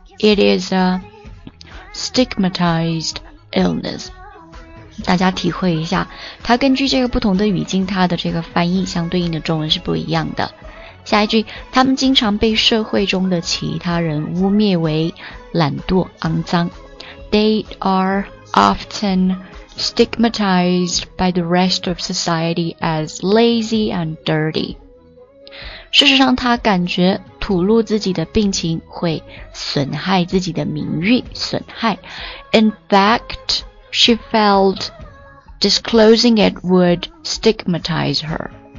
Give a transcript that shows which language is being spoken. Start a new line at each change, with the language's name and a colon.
English: It is a stigmatizedIllness，
Chinese: 大家体会一下，它根据这个不同的语境，它的这个翻译相对应的中文是不一样的。下一句，他们经常被社会中的其他人污蔑为懒惰、肮脏。
English: They are often stigmatized by the rest of society as lazy and dirty。
Chinese: 事实上，他感觉吐露自己的病情会损害自己的名誉，损害。
English: In fact, she felt disclosing it would stigmatize her.